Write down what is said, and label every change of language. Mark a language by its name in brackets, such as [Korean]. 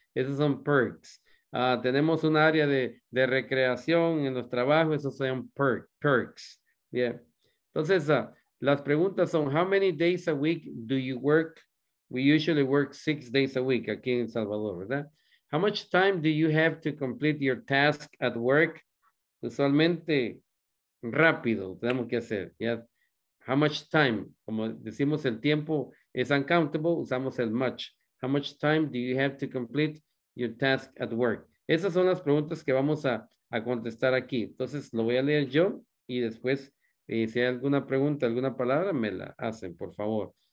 [Spanish] Esos son perks. Tenemos un área de recreación en los trabajos, esos son perks. Yeah. Entonces, las preguntas son, [English] how many days a week do you work? We usually work 6 days a week [Spanish] aquí en El Salvador, ¿verdad? [English] How much time do you have to complete your task at work? [Spanish] Usualmente, rápido, tenemos que hacer. Yeah. [English] How much time? [Spanish] Como decimos, el tiempo es uncountable, usamos el much. [English] How much time do you have to complete your task at work? [Spanish] Esas son las preguntas que vamos a contestar aquí. Entonces, lo voy a leer yo y después, si hay alguna pregunta, alguna palabra, me la hacen, por favor.